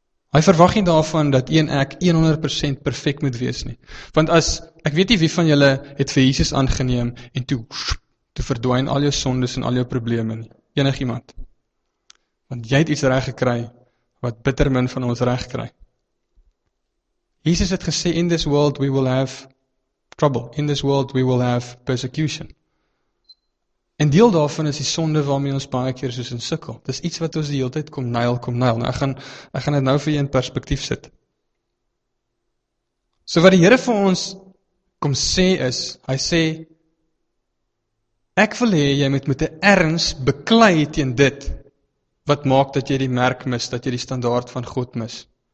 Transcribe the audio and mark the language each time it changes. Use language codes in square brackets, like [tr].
[af] Hy verwag nie daarvan dat ek 100% perfek moet wees nie. Want as, ek weet nie wie van julle het vir Jesus aangeneem en toe verdwyn al jou sondes en al jou probleme nie. Enig iemand. Want jy het iets reg gekry wat bitter min van ons reg kry. Jesus het gesê, [en] in this world we will have trouble. In this world we will have persecution. [af] En deel daarvan is die sonde waarmee ons baie keer soos in sukkel. Dis iets wat ons die hele tyd kom nail. Nou ek gaan dit nou vir jou in perspektief sit. So wat die Here vir ons kom sê is, hy sê, ek wil hê jy moet met 'n erns beklei teen dit wat maak dat jy die merk mis, dat jy die standaard van God mis.